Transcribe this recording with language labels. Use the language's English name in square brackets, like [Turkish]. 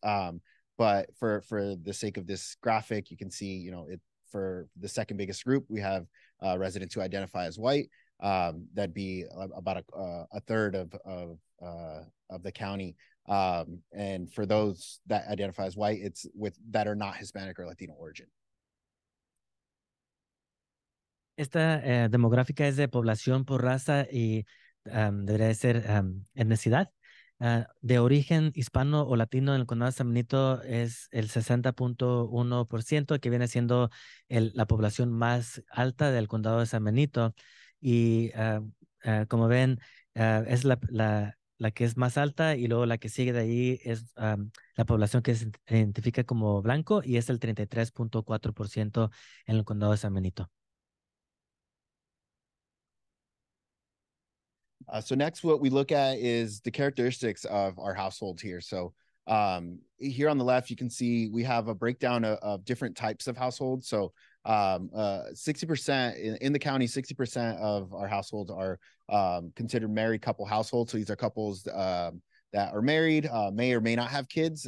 [English] But for the sake of this graphic, you can see, for the second biggest group, we have residents who identify as white. That'd be about a third of the county. And for those that identify as white, it's with that are not Hispanic or Latino origin. [Spanish] Esta demográfica es de población por raza y debería ser etnicidad. De origen hispano o latino en el condado de San Benito es el 60.1%, que viene siendo la población más alta del condado de San Benito. Y como ven, es la que es más alta y luego la que sigue de ahí es la población que se identifica como blanco y es el 33.4% en el condado de San Benito. [English] So next, what we look at is the characteristics of our households here. So here on the left, you can see we have a breakdown of different types of households. So 60% in the county, 60% of our households are considered married couple households. So these are couples that are married, may or may not have kids.